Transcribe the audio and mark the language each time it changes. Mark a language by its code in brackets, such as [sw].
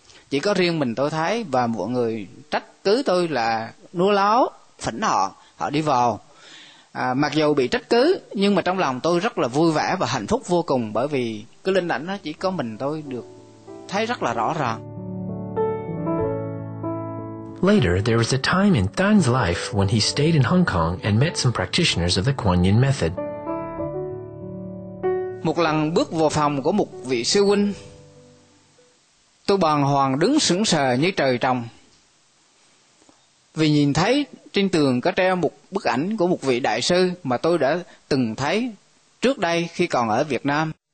[vi] Chỉ có riêng mình tôi thấy, và mọi người trách cứ tôi là nua láo, phỉnh họ đi vào. Mặc dù bị trách cứ, nhưng mà trong lòng tôi rất là vui vẻ và hạnh phúc vô cùng, bởi vì cái linh ảnh nó chỉ có mình tôi được thấy rất là rõ ràng. [en] Later, there was a time in Tan's life when he stayed in Hong Kong and met some practitioners of the Kuan Yin method. [vi] Một lần bước vào phòng của một vị sư huynh, tôi bàng hoàng đứng sững sờ như trời trồng, vì nhìn thấy trên tường có treo một bức ảnh của một vị đại sư mà tôi đã từng thấy trước đây khi còn ở Việt Nam.